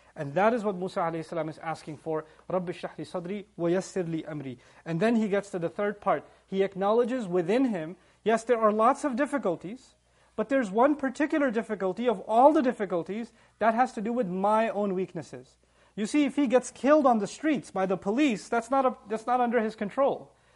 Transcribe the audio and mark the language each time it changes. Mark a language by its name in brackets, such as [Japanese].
[English] And that is what Musa alayhi salam is asking for. [Arabic] رَبِّ اشْرَحْ لِي صَدْرِي وَيَسِّرْ لِي أَمْرِي. [English] And then he gets to the third part. He acknowledges within him, yes, there are lots of difficulties, but there's one particular difficulty of all the difficulties that has to do with my own weaknesses. You see, if he gets killed on the streets by the police, that's not under his control.